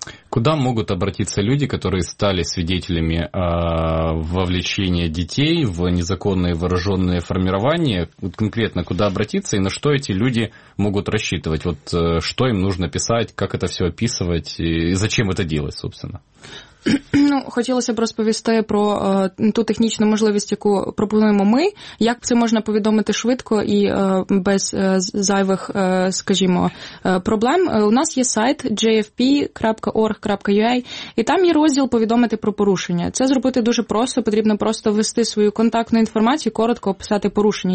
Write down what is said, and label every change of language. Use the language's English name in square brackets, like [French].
[Russian] Куда могут обратиться люди, которые стали свидетелями вовлечения детей в незаконные вооруженные формирования? Вот конкретно куда обратиться и на что эти люди могут рассчитывать? Вот что им нужно писать, как это все описывать и зачем это делать, собственно? [Ukrainian] Ну, хотілося б розповісти про ту технічну можливість, яку пропонуємо ми, як це можна повідомити швидко і без зайвих, скажімо, проблем. У нас є сайт jfp.org.ua, і там є розділ «Повідомити про порушення». Це зробити дуже просто, потрібно просто ввести свою контактну інформацію, коротко описати порушення.